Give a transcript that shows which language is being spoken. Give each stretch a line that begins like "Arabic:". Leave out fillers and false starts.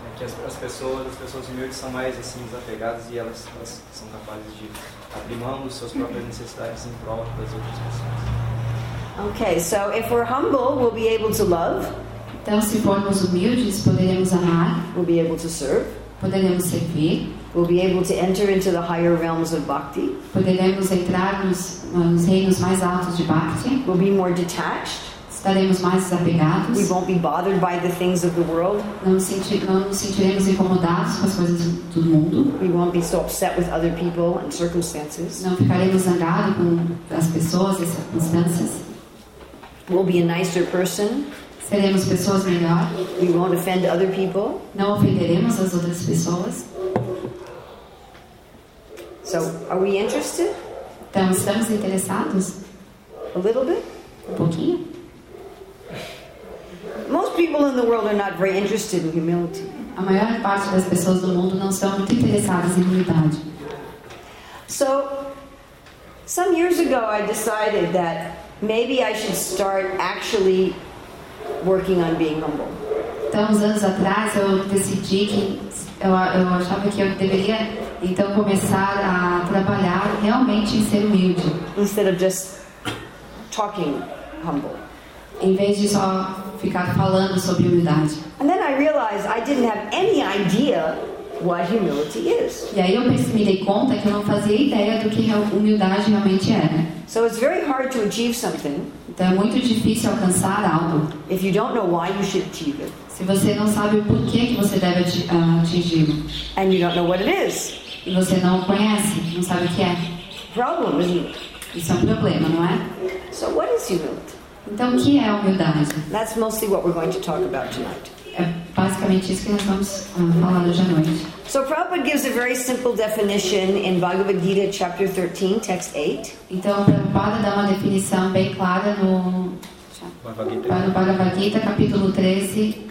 Portuguese: Que as pessoas humildes são mais assim desapegadas e elas são capazes de abrir mão dos seus próprias necessidades em prol das outras pessoas.
English: Okay, so if we're humble, we'll be able to love.
Portuguese: Então, se formos humildes, poderemos amar.
English: We'll be able to serve.
Portuguese: Poderemos servir.
English: We'll be able to enter into the higher realms of bhakti.
Portuguese: Poderemos entrar nos reinos mais altos de bhakti.
English: We'll be more detached.
Portuguese: Estaremos mais desapegados.
English: We won't be bothered by the things of the world.
Portuguese: Não nos sentiremos incomodados com as coisas do mundo.
English: We won't be so upset with other people and circumstances.
Portuguese: Não ficaremos zangados com as pessoas e circunstâncias.
English: We'll be a nicer person.
Portuguese: Seremos pessoas melhores.
English: We won't offend other people.
Portuguese: Não ofenderemos as outras pessoas.
English: So, are we interested?
Portuguese: Então, estamos interessados?
English: A little bit?
Portuguese: Um pouquinho?
English: Most people in the world are not very interested in humility.
Portuguese: A maior parte das pessoas do mundo não são muito interessadas em humildade.
English: So, some years ago I decided that maybe I should start actually working on being humble.
Portuguese: Então, uns anos atrás eu decidi que eu achava que eu deveria então começar a trabalhar realmente em ser humilde.
English: Instead of just talking humble.
Portuguese: Em vez de só ficar falando sobre humildade.
English: And then I realized I didn't have any idea what humility is.
Portuguese: E aí eu me dei conta que eu não fazia ideia do que humildade realmente era.
English: So it's very hard to achieve something.
Portuguese: Então é muito difícil alcançar algo.
English: If you don't know why you should achieve it.
Portuguese: Se você não sabe o porquê que você deve atingi-lo.
English: And you don't know what it is.
Portuguese: E você não conhece, não sabe o que é.
English: Problem, isn't it?
Portuguese: Isso é problema, não é?
English: So what is humility?
Portuguese: Então, o que é humildade?
English: That's mostly what we're going to talk about tonight.
Portuguese: É basicamente isso que nós vamos falar hoje à noite.
English: So Prabhupada gives a very simple definition in Bhagavad Gita, chapter 13, text 8.
Portuguese: Então, Prabhupada dá uma definição bem clara no Bhagavad Gita, capítulo 13.